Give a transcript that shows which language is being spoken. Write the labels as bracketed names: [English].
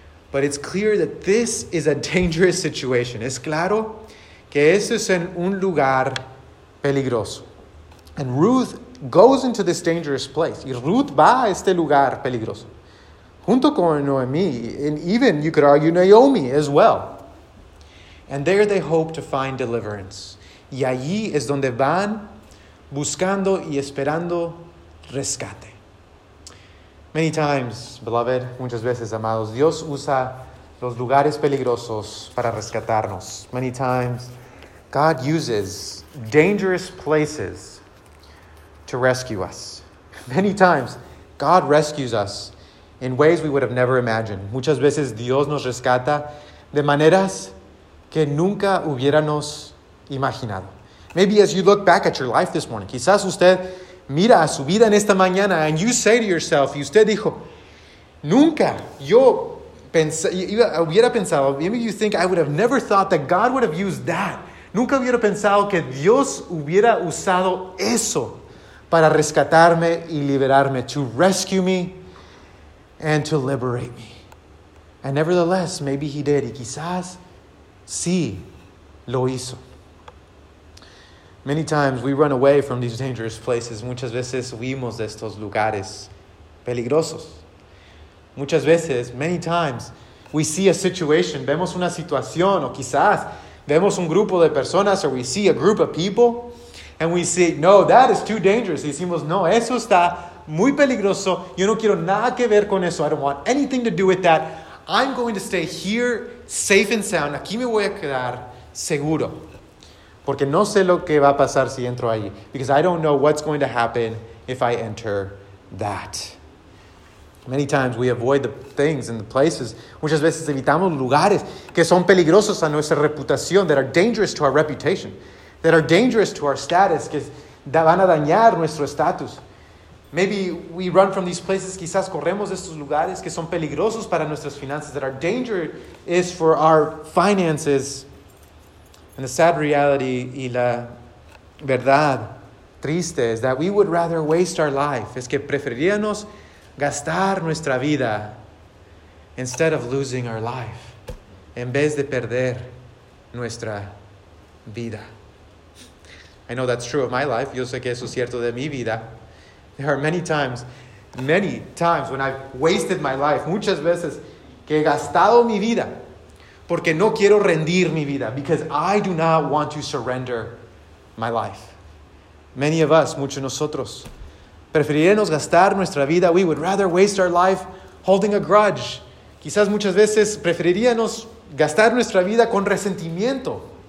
[English] But it's clear that this is a dangerous situation. [Spanish] Es claro que eso es en un lugar peligroso. [English] And Ruth goes into this dangerous place. [Spanish] Y Ruth va a este lugar peligroso. Junto con Noemi, [English] and even, you could argue, Naomi as well. And there they hope to find deliverance. [Spanish] Y allí es donde van buscando y esperando rescate. [English] Many times, beloved, [Spanish] muchas veces, amados, Dios usa los lugares peligrosos para rescatarnos. [English] Many times, God uses dangerous places to rescue us. Many times, God rescues us in ways we would have never imagined. [Spanish] Muchas veces Dios nos rescata de maneras que nunca hubiéramos imaginado. [English] Maybe as you look back at your life this morning, [Spanish] quizás usted mira a su vida en esta mañana [English] and you say to yourself, [Spanish] y usted dijo, nunca yo hubiera pensado, [English] maybe you think, I would have never thought that God would have used that. [Spanish] Nunca hubiera pensado que Dios hubiera usado eso para rescatarme y liberarme, [English] to rescue me and to liberate me. And nevertheless, maybe he did. [Spanish] Y quizás, sí, lo hizo. [English] Many times we run away from these dangerous places. [Spanish] Muchas veces huimos de estos lugares peligrosos. Muchas veces, [English] many times, we see a situation. [Spanish] Vemos una situación, o quizás, vemos un grupo de personas, [English] or we see a group of people, and we say, no, that is too dangerous. [Spanish] Y decimos, no, eso está muy peligroso. Yo no quiero nada que ver con eso. [English] I don't want anything to do with that. I'm going to stay here safe and sound. [Spanish] Aquí me voy a quedar seguro. Porque no sé lo que va a pasar si entro ahí. [English] Because I don't know what's going to happen if I enter that. Many times we avoid the things and the places. [Spanish] Muchas veces evitamos lugares que son peligrosos a nuestra reputación. [English] That are dangerous to our reputation. That are dangerous to our status. [Spanish] Que van a dañar nuestro estatus. [English] Maybe we run from these places, [Spanish] quizás corremos de estos lugares que son peligrosos para nuestras finanzas, [English] that our danger is for our finances. And the sad reality [Spanish] y la verdad triste [English] is that we would rather waste our life. [Spanish] Es que preferiríamos gastar nuestra vida [English] instead of losing our life, [Spanish] en vez de perder nuestra vida. [English] I know that's true of my life. [Spanish] Yo sé que eso es cierto de mi vida. [English] There are many times when I've wasted my life. [Spanish] Muchas veces que he gastado mi vida. Porque no quiero rendir mi vida. [English] Because I do not want to surrender my life. Many of us, [Spanish] muchos de nosotros, preferiremos gastar nuestra vida. [English] We would rather waste our life holding a grudge. [Spanish] Quizás muchas veces preferiríamos gastar nuestra vida con resentimiento.